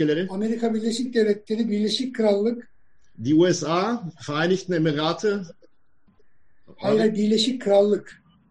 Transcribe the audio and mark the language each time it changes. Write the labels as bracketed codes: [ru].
[tr] Amerika Birleşik Devletleri, Birleşik Krallık. [de] Die USA, Vereinigten Emirate. [tr] Hayır, Birleşik Krallık.